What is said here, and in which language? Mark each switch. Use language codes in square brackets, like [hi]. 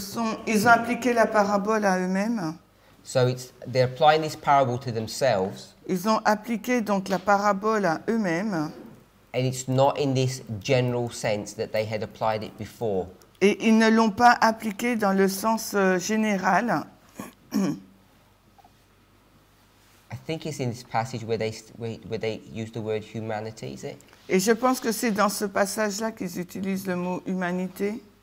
[fr] Ils ont appliqué la parabole à eux-mêmes. [en] So they're applying this parable to themselves. [fr] Ils ont appliqué donc la parabole à eux-mêmes. [en] And it's not in this general sense that they had applied it before. [fr] Et ils ne l'ont pas appliqué dans le sens général. [en] I think it's in this passage where they use the word humanity, is it? [fr] Et je pense que c'est dans ce passage-là qu'ils utilisent le mot humanité.